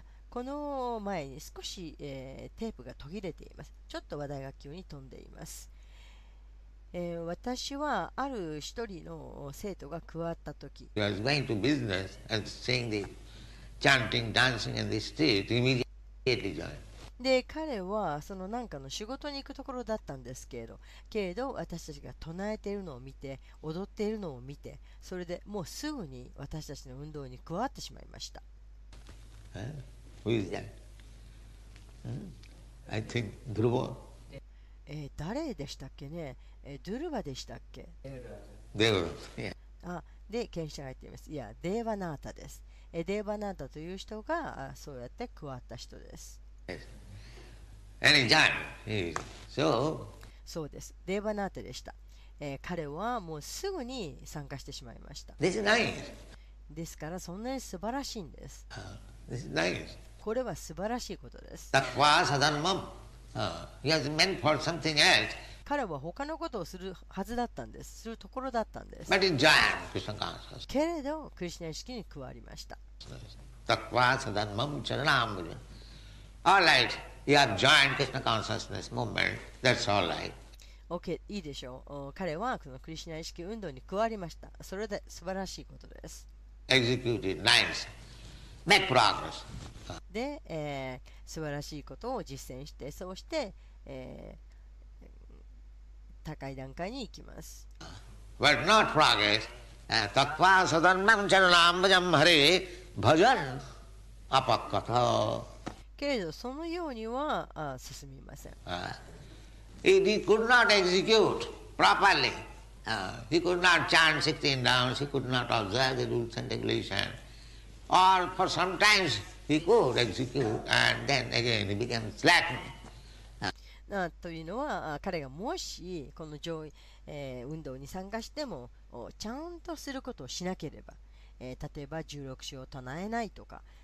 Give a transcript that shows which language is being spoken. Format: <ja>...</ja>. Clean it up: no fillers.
<ja>この前に少し、テープが途切れています。ちょっと話題が急に飛んでいます。私はある一人の生徒が加わったとき、</ja> <en>He was going to business and seeing the chanting, dancing in the street, immediately joined.</en> <ja>で、彼はその何かの仕事に行くところだったんですけれど、私たちが唱えているのを見て、踊っているのを見て、それでもうすぐに私たちの運動に加わってしまいました。</ja> <en>Who is that? I think Dhruva.</en> <ja>誰でしたっけね、ドゥルバでしたっけ。デーバナータ、yeah. で、検証が入っています。いや、デーバナータです。デーバナータという人がそうやって加わった人です。</ja> <en>Yes. And he joined. So,</en> <ja>そうです。デーバナータでした。彼はもうすぐに参加してしまいました。</ja> <en>This is nice.</en> <ja>ですから、そんなに素晴らしいんです。</ja> <en>This is nice.</en> <ja>これは素晴らしいことです。</ja> <sa>Tattva sadharmam.</sa> <en>He was meant for something else.</en> <ja>彼は他のことをするはずだったんです。するところだったんです。</ja> <en>But he joined Krishna consciousness.</en> <ja>けれど、クリシナ意識に加わりました。</ja> <sa>Tattva sadharmam charanam bhujam.</sa> <en>All right, you have joined Krishna consciousness movement. That's all right.</en> <ja>Okay, いいでしょう。彼はこのクリシナ意識運動に加わりました。それで素晴らしいことです。</ja> <en>Executed, nice. Make progress.</en> <ja>で、素晴らしいことを実践して、そうして、高い段階に行きます。</ja> <en>But not progress.</en> <sa>Takva sadhanam charanam bhajam hari bhajan apakkata.</sa> <ja>けれどそのようには進みません。</ja> <en>He could not execute properly. He could not chant 16 rounds. He could not observe the rules and regulations. Or for sometimes he could execute and then again he became slack.</en> <ja>というのは彼がもしこの上位、運動に参加してもちゃんとすることをしなければ、例えば16章を唱えないとか。</ja>